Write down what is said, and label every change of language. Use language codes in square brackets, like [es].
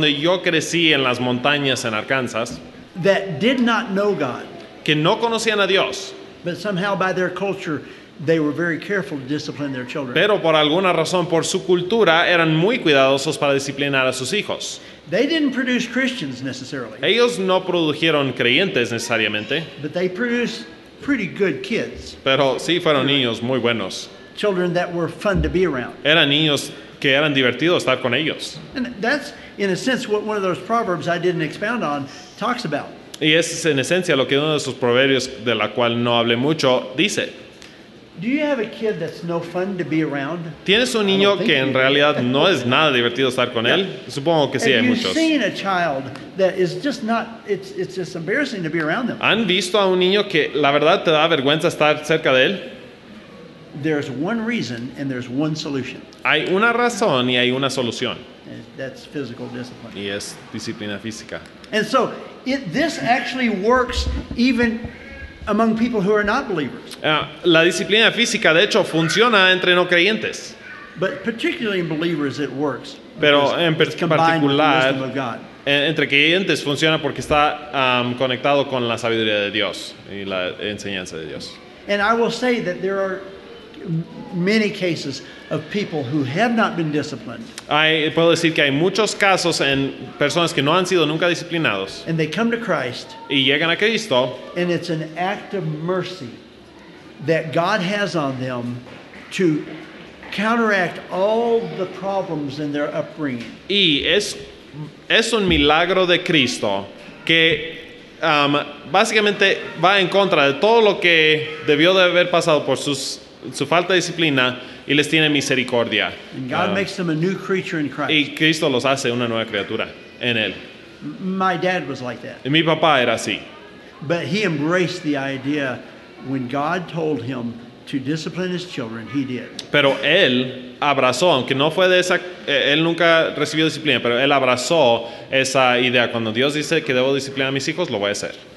[es] Donde yo crecí en las montañas en Arkansas. [en] That did not know God. [es] Que no conocían a Dios. [en] But somehow by their culture they were very careful to discipline their children. [es] Pero por alguna razón por su cultura eran muy cuidadosos para disciplinar a sus hijos. [en] They didn't produce Christians necessarily. [es] Ellos no produjeron creyentes necesariamente. [en] But they produced pretty good kids. [es] Pero sí fueron niños muy buenos. [en] Children that were fun to be around. [es] Eran niños que eran divertidos estar con ellos. [en] And that's in a sense what one of those proverbs I didn't expound on talks about. [es] Y eso es en esencia lo que uno de esos proverbios de la cual no hablé mucho dice. [en] Do you have a kid that's no fun to be around? [es] ¿Tienes un niño que en realidad no es nada divertido estar con él? Supongo que sí, hay muchos. [en] Have you seen a child that is just not, it's just embarrassing to be around them? [es] ¿Han visto a un niño que la verdad te da vergüenza estar cerca de él? [en] There's one reason and there's one solution. [es] Hay una razón y hay una solución. [en] That's physical discipline. [es] Y es disciplina física. [en] And so, this actually works even among people who are not believers. [es] La disciplina física, de hecho, funciona entre no creyentes. [en] But particularly in believers, it works. [es] Pero en particular, entre creyentes funciona porque está conectado con la sabiduría de Dios y la enseñanza de Dios. [en] And I will say that there are many cases of people who have not been disciplined. [es] Puedo decir que hay muchos casos en personas que no han sido nunca disciplinados. [en] And they come to Christ. [es] Y llegan a Cristo. [en] And it's an act of mercy that God has on them to counteract all the problems in their upbringing. [es] Y es un milagro de Cristo que básicamente va en contra de todo lo que debió de haber pasado por su falta de disciplina y les tiene misericordia. [en] And God makes them a new creature in Christ. [es] Y Cristo los hace una nueva criatura en él. [en] My dad was like that. [es] Y mi papá era así. [en] But he embraced the idea when God told him to discipline his children, he did. [es] Pero él abrazó, aunque no fue de esa, él nunca recibió disciplina, pero él abrazó esa idea. Cuando Dios dice que debo disciplinar a mis hijos, lo voy a hacer.